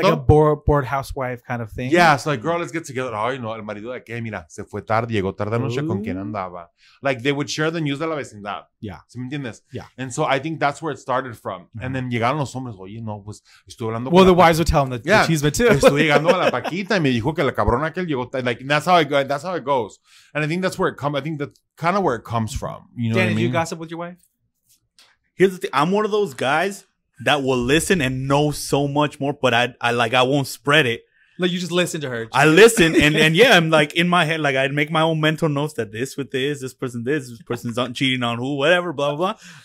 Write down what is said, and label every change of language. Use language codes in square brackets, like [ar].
[en] So it's like a bored housewife kind of thing. Yeah, so like, girl, let's get together. Oh, you know, [es] el marido de que, mira, se fue tarde, llegó tarde anoche con quien andaba. [en] Like, they would share the news [es] de la vecindad. [en] Yeah. [es] ¿Sí me entiendes? [en] Yeah. And so I think that's where it started from. Mm-hmm. And then [es] llegaron los hombres, oye, no, pues, estuve hablando. [en] Well, the wives would tell them the chisme too. [es] Estuve llegando a la paquita y me dijo que la cabrona aquel llegó. [en] Like, that's how it goes. And I think that's where it comes, I think that's kind of where it comes from. You know Dan, what I mean? Dan, you gossip with your wife? Here's the thing. I'm one of those guys that will listen and know so much more, but I won't spread it. Like, you just listen to her. I listen. And yeah, I'm like in my head, like I'd make my own mental notes that this with this person's cheating on who, whatever, blah, blah, blah.